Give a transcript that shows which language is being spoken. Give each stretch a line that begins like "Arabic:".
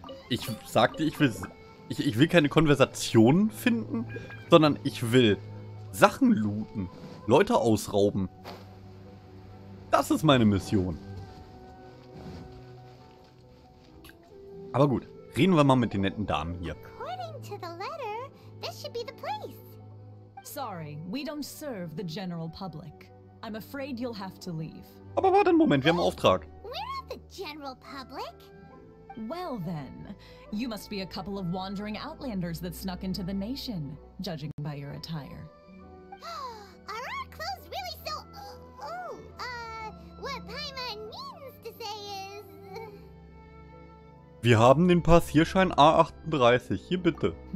German: Ich sagte, ich will keine Konversation finden, sondern ich will Sachen looten, Leute ausrauben. Das ist meine Mission. Aber gut, reden wir mal mit den netten Damen hier.
English: According to the letter, this should be the place. Sorry, we don't serve the general public. I'm afraid you'll have to leave.
German: Aber warte einen Moment, wir haben einen Auftrag.
English: We're not the general public. Well then, you must be a couple of wandering outlanders that snuck into the nation, judging by your attire. Are our clothes really so... what Paimon means to say is...
German: Wir haben den Passierschein A38, hier bitte.